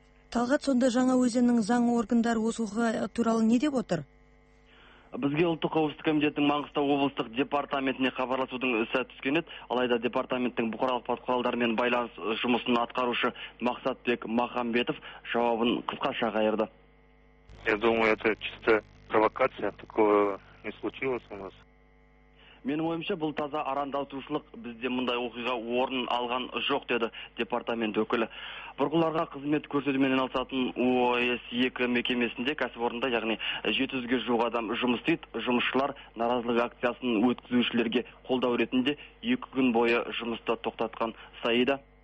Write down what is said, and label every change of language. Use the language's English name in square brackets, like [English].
[Kazakh] Талғат, сонда жаңа өзеннің заң органдары осы оқиға туралы не деп отыр? Бізге ұлттық қауіпсіздік комитетінің Маңғыстау облыстық департаментіне хабарласудың сәті түскен еді. Алайда департаменттің бұқаралық ақпарат құралдарымен байланыс жұмысын атқарушы Мақсатбек Махамбетов жауабын қысқаша қайырды. [Russian] Я думаю, это чисто провокация, такого не случилось у нас. [Kazakh] Менің ойымша бұл таза арандатушылық, бізде мұндай оқиға орын алған жоқ деді департамент өкілі. Бұрғыларға қызмет көрсетумен айналысатын ОС2 мекемесінде кәсіпорында, яғни 700-ге жуық адам жұмыс істейді. Жұмысшылар наразылық акциясын өткізушілерге қолдау ретінде 2 күн бойы жұмысты тоқтатқан Саида.